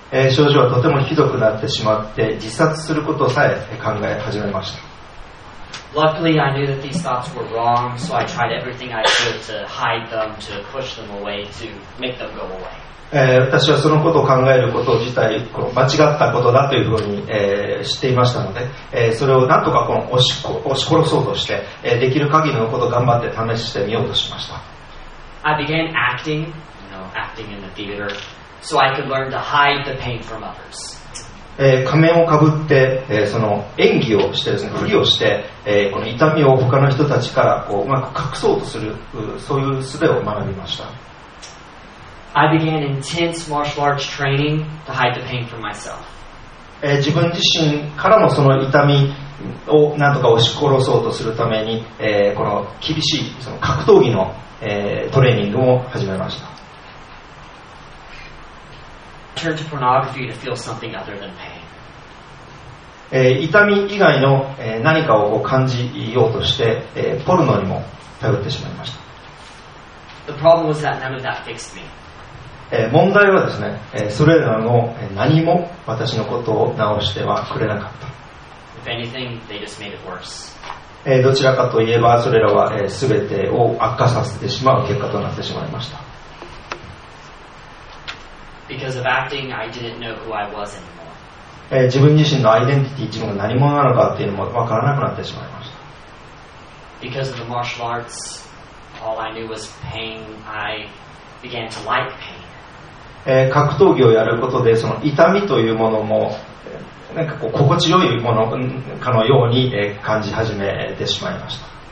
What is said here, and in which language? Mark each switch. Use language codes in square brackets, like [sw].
[ja] 症状はとてもひどくなってしまって自殺することさえ考え始めました。 [en] Luckily, I knew that these thoughts were wrong, so I tried everything I could to hide them, to push them away, to make them go away. [ja] 私はそのことを考えること自体この間違ったことだというふうに、知っていましたので、それをなんとかこの押し殺そうとして、できる限りのことを頑張って試してみようとしました。 [en] I began acting, you know, acting in the theater so I could learn to hide the pain from others. [ja] 仮面をかぶって、その演技をしてですね、振りをして、この痛みを他の人たちからこううまく隠そうとする、そういう術を学びました。 [en] I began intense martial arts training to hide the pain from myself. [ja] 自分自身からもその痛みをなんとか押し殺そうとするために、この厳しいその格闘技の、トレーニングを始めました。 [en] Turn to pornography to feel something other than pain. [ja] 痛み以外の、何かを感じようとして、ポルノにも頼ってしまいました。 [en] The problem was that none of that fixed me. [ja] 問題はですね、それらの何も私のことを直してはくれなかった。 [en] If anything, they just made it worse. [ja] どちらかといえばそれらは、全てを悪化させてしまう結果となってしまいました。 [en] Because of acting, I didn't know who I was anymore. [ja] 自分自身のアイデンティティ、自分が何者なのかっていうのも分からなくなってしまいました。 [en] Because of the martial arts, all I knew was pain. I began to like pain. [ja] 格闘技をやることでその痛みというものもなんかこう心地よいものかのように感じ始めてしまいました。